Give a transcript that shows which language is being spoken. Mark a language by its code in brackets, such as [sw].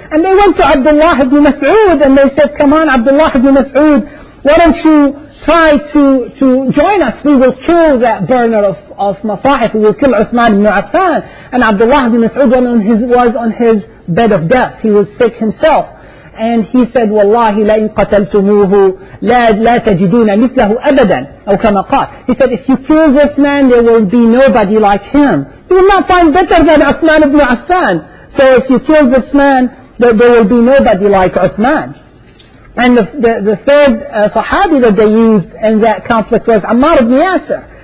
[en] And they went to Abdullah ibn Mas'ud and they said, come on, Abdullah ibn Mas'ud, why don't you try to join us? We will kill that burner of Masahif. We will kill Uthman ibn Affan. And Abdullah ibn Mas'ud was on his bed of death. He was sick himself. And he said, [ar] وَاللَّهِ لَإِن قَتَلْتُمُوهُ لَا تَجِدُونَ مِثْلَهُ أَبَدًا أو كما قال. [en] He said, if you kill this man, there will be nobody like him. You will not find better than Uthman ibn Affan. So if you kill this man, there will be nobody like Uthman. And the third sahabi that they used in that conflict was Ammar ibn Yasir.